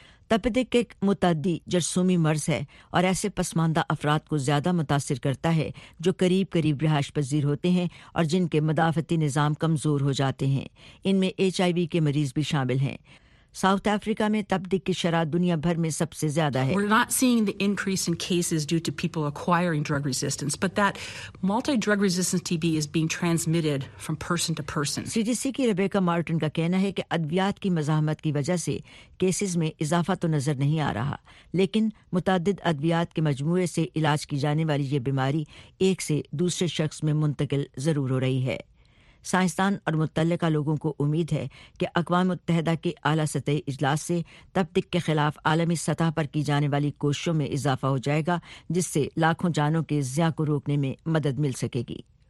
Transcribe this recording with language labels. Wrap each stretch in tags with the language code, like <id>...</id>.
<ur>تپدق ایک متعدی جرثومی مرض ہے اور ایسے پسماندہ افراد کو زیادہ متاثر کرتا ہے جو قریب قریب رہائش پذیر ہوتے ہیں اور جن کے مدافعتی نظام کمزور ہو جاتے ہیں. ان میں ایچ آئی وی کے مریض بھی شامل ہیں. ساؤتھ افریقہ میں تپدق کی شرح دنیا بھر میں سب سے زیادہ ہے.</ur> <en>We're not seeing the increase in cases due to people acquiring drug resistance, but that multi-drug resistant TB is being transmitted from person to person.</en> <ur>C D C کی ریبیکا مارٹن کا کہنا ہے کہ ادویات کی مزاحمت کی وجہ سے کیسز میں اضافہ تو نظر نہیں آ رہا، لیکن متعدد ادویات کے مجموعے سے علاج کی جانے والی یہ بیماری ایک سے دوسرے شخص میں منتقل ضرور ہو رہی ہے. سائنسدان اور متعلقہ لوگوں کو امید ہے کہ اقوام متحدہ کے اعلیٰ سطحی اجلاس سے تپدق کے خلاف عالمی سطح پر کی جانے والی کوششوں میں اضافہ ہو جائے گا، جس سے لاکھوں جانوں کے ضیاع کو روکنے میں مدد مل سکے گی.</ur>